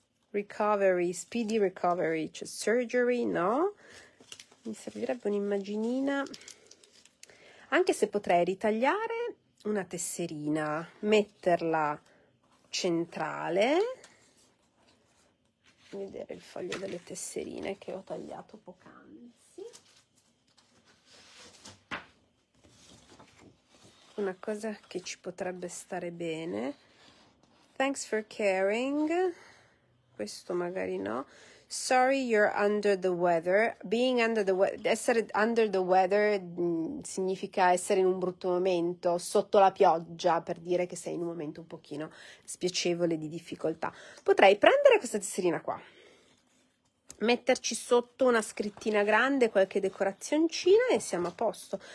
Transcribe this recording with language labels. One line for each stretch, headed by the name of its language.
English: Recovery, speedy recovery, cioè surgery, no?
Italian: Mi servirebbe un'immaginina. Anche se potrei ritagliare una tesserina, metterla centrale, vedere il foglio delle tesserine che ho tagliato poc'anzi. Una cosa che ci potrebbe stare bene.
English: Thanks for caring.
Italian: Questo magari no.
English: Sorry, you're under the weather. Being under the weather,
Italian: essere under the weather significa essere in un brutto momento, sotto la pioggia, per dire che sei in un momento un pochino spiacevole, di difficoltà. Potrei prendere questa tesserina qua, metterci sotto una scrittina grande, qualche decorazioncina e siamo a posto.